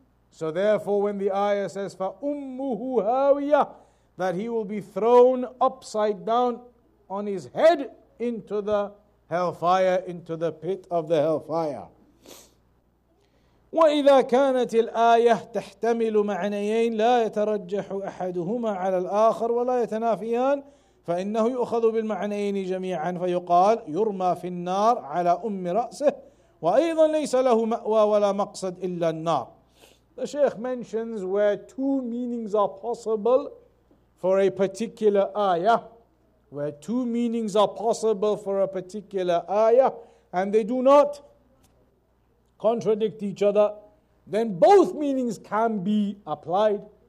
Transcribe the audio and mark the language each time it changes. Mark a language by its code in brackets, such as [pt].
[en] So therefore, when the ayah says [ar] فَأُمُّهُ هَاوِيَةٌ, [en] that he will be thrown upside down on his head into the hellfire, into the pit of the hellfire. [ar] وإذا كانت الآية تحتمل معنيين لا يترجح أحدهما على الآخر ولا يتنافيان فإنه يؤخذ بالمعنيين جميعا فيقال يرمى في النار على أم رأسه وأيضا ليس له مأوى ولا مقصد إلا النار. [en] The Sheikh mentions where two meanings are possible for a particular ayah, where two meanings are possible for a particular ayah and they do not contradict each other, then both meanings can be applied.